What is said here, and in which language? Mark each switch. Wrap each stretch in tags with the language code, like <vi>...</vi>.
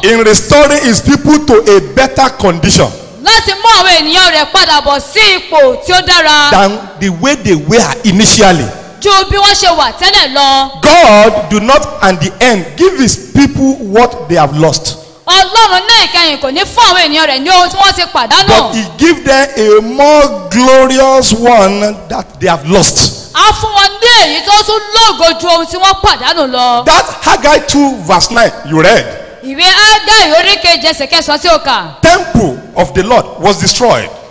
<en>In restoring his people to a better condition.</en> <yo>Láti mú àwọn ènìyàn rẹ̀ padà bọ̀ sí ipò tí ó dára.</yo> <en>Than the way they were initially.</en> <yo>Ju bí wọ́n ṣe wà tẹ́lẹ̀ lọ.</yo> <en>God do not at the end give his people what they have lost.</en> <yo>Ọlọ́run ní ìkẹyìn kò ní fún àwọn ènìyàn rẹ̀ ní ohun tí wọ́n ti pàdánù.</yo> <en>But he give them a more glorious one that they have lost.</en> <yo>A fún wọn ní èyí tó tún lógo ju ohun tí wọ́n pàdánù lọ.</yo> <en>That Haggai 2 verse 9 you read.</en> <yo>Ìwé Haggai orí kejì ẹsẹ̀ kẹsàn-án tí ó kà.</yo> <en>Temple of the Lord was destroyed.</en>